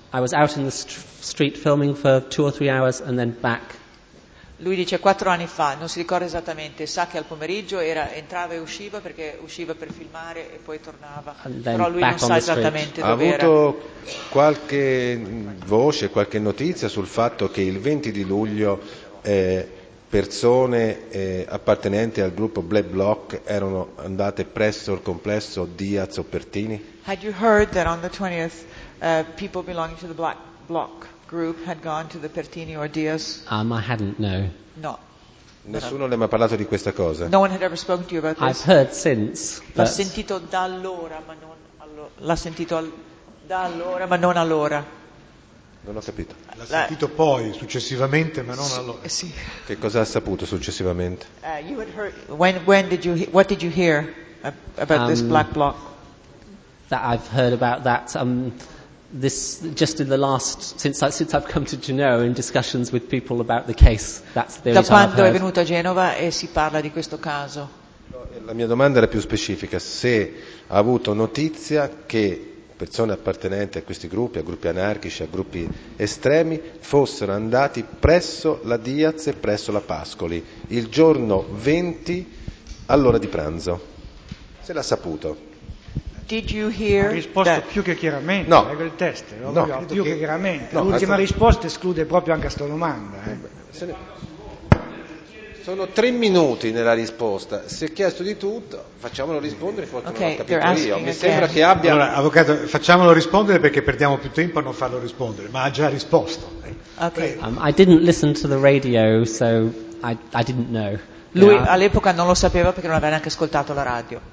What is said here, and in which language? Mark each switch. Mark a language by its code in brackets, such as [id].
[en] I was out in the street filming for 2 or 3 hours and then back. [it] Lui dice 4 anni fa, non si ricorda esattamente, sa che al pomeriggio era, entrava e usciva perché usciva per filmare e poi tornava, però lui non sa esattamente dove era. Ha avuto qualche voce, qualche notizia sul fatto che il 20 di luglio persone appartenenti al gruppo Black Bloc erano andate presso il complesso Diaz o Pertini? [en] Had you heard that on the 20th people belonging to the Black Bloc group had gone to the Pertini or Diaz? I hadn't, no. No. [it] Nessuno le ha mai parlato di questa cosa. [en] No one had ever spoken to you about this. I've heard since. [it] L'ha sentito da allora, ma non allora. L'ha sentito da allora, ma non allora. Non ho capito. L'ha sentito poi, successivamente, ma non allora. Sì. Che cosa ha saputo successivamente? [en] You had heard. When did you? What did you hear about this Black Bloc? That I've heard about that. This just in the last since I've come to Genoa in discussions with people about the case. That's the [it] da quando è venuto a Genova e si parla di questo caso. La mia domanda era più specifica, se ha avuto notizia che persone appartenenti a questi gruppi, a gruppi anarchici, a gruppi estremi, fossero andati presso la Diaz e presso la Pascoli il giorno 20 all'ora di pranzo. Se l'ha saputo. [en] Did you hear [it] risposto [en] that? [it] Più che chiaramente, no. Leggo il test, no. No. Più che chiaramente. No, l'ultima risposta esclude proprio anche questa domanda. Sono 3 minuti nella risposta. Se è chiesto di tutto, facciamolo rispondere, forse okay, non l'ho capito io. Mi sembra che abbia. Allora, avvocato, facciamolo rispondere perché perdiamo più tempo a non farlo rispondere, ma ha già risposto. Okay. [en] I didn't listen to the radio, so I didn't know. [it] Lui all'epoca non lo sapeva perché non aveva neanche ascoltato la radio.